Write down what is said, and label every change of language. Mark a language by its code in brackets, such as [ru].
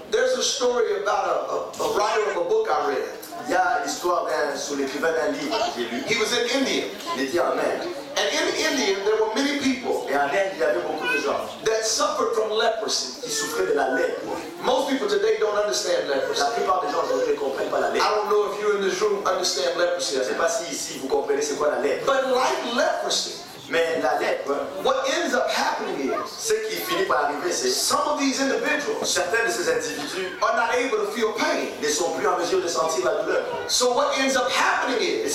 [en] There's a story about a writer of a book I read. [fr] Il y a l'histoire sur l'écrivain d'un livre que j'ai lu. [en] He was in India. [fr] Il était en Inde. [en] And in India, there were many people. [fr] Et en Inde, il y avait beaucoup de gens. [en] That suffered from leprosy. [fr] Qui souffraient de la lèpre. [en] Most people today don't understand leprosy. [fr] La plupart des gens aujourd'hui ne comprennent pas la lèpre. [en] I don't know if you in this room understand leprosy. [fr] Je ne sais pas si ici vous comprenez c'est quoi la lèpre. [en] But like leprosy. [fr] Mais la lèpre, [en] what ends up happening is, [fr] ce qui finit par arriver, c'est [en] some of these individuals, [fr] certains de ces individus, [en] are not able to feel pain, [fr] ne sont plus en mesure de sentir la douleur. [en] So what ends up happening is,